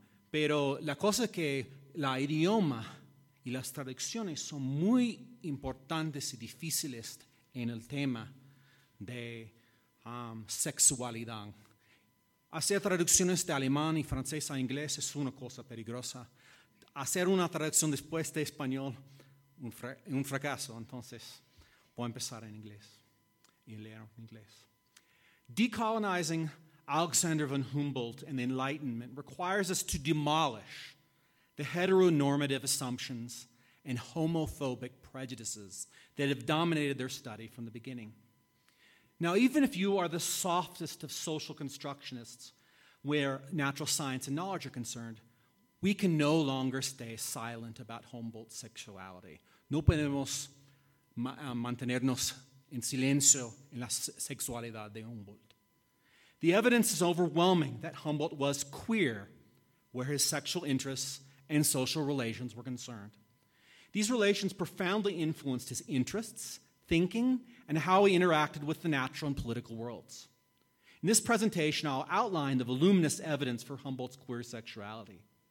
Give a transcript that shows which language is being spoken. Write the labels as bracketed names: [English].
[Spanish] Pero la cosa es que el idioma y las traducciones son muy importantes y difíciles en el tema de sexualidad. Hacer traducciones de alemán y francés a inglés es una cosa peligrosa. Hacer una traducción después de español, un fracaso. Entonces, voy a empezar en inglés y leer en inglés. [English] Decolonizing Alexander von Humboldt and the Enlightenment requires us to demolish the heteronormative assumptions and homophobic prejudices that have dominated their study from the beginning. Now, even if you are the softest of social constructionists where natural science and knowledge are concerned, we can no longer stay silent about Humboldt's sexuality. [Spanish] No podemos mantenernos en silencio en la sexualidad de Humboldt. [English] The evidence is overwhelming that Humboldt was queer where his sexual interests and social relations were concerned. These relations profoundly influenced his interests, thinking, and how he interacted with the natural and political worlds. In this presentation, I'll outline the voluminous evidence for Humboldt's queer sexuality.